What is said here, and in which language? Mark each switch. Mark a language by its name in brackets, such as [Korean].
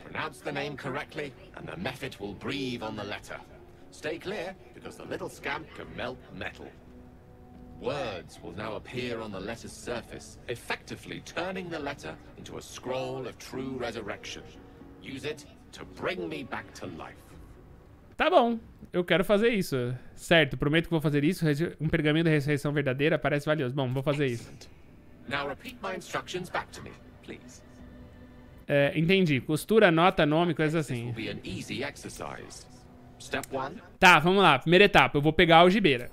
[English] Pronounce the name correctly, and the method will breathe on the letter. Stay clear, because the little scamp can melt metal. Words will now appear on the letter's surface, effectively turning the letter into a scroll of true resurrection. Use it to bring me back to life. [Portuguese] Tá bom, eu quero fazer isso. Certo, prometo que vou fazer isso. Um pergaminho da ressurreição verdadeira parece valioso. Bom, vou fazer isso. [English] Now repeat my instructions back to me, please. [Portuguese] É, entendi. Costura, nota, nome, coisas assim. [English] This will be an easy exercise. Step one. [Portuguese] Tá, vamos lá. Primeira etapa, eu vou pegar a algibeira.